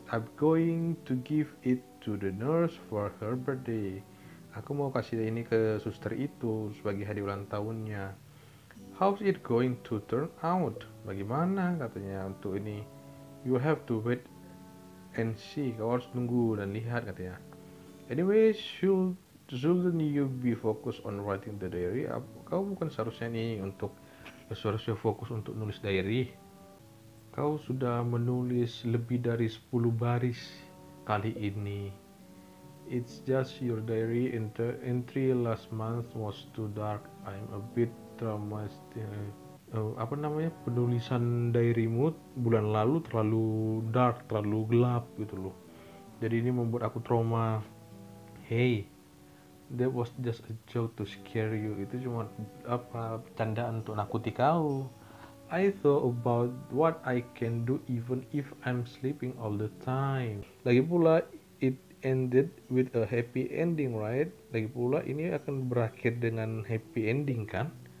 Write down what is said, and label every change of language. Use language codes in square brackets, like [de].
[en] I'm going to give it to the nurse for her birthday. [id] Aku mau kasih ini ke suster itu sebagai hadiah ulang tahunnya. [en] How's it going to turn out? [id] Bagaimana katanya untuk ini? [en] You have to wait and see. [id] Kau harus nunggu dan lihat katanya. [en] Anyway, shouldn't you be focused on writing the diary? [id] Kau bukan seharusnya nih untuk seharusnya fokus untuk nulis diary. Kau sudah menulis lebih dari 10 baris kali ini. [en] It's just your diary entry last month was too dark. I'm a bit traumatized. [id] Apa namanya, penulisan diarymu bulan lalu terlalu dark, terlalu gelap gitu loh. Jadi ini membuat aku trauma. [en] Hey, that was just a joke to scare you. [id] Itu cuma apa, candaan untuk nakuti kau. [en] I thought about what I can do even if I'm sleeping all the time. [id] Lagi pula, [en] it ended with a happy ending, right? [id] Lagi pula, ini akan berakhir dengan happy ending, kan?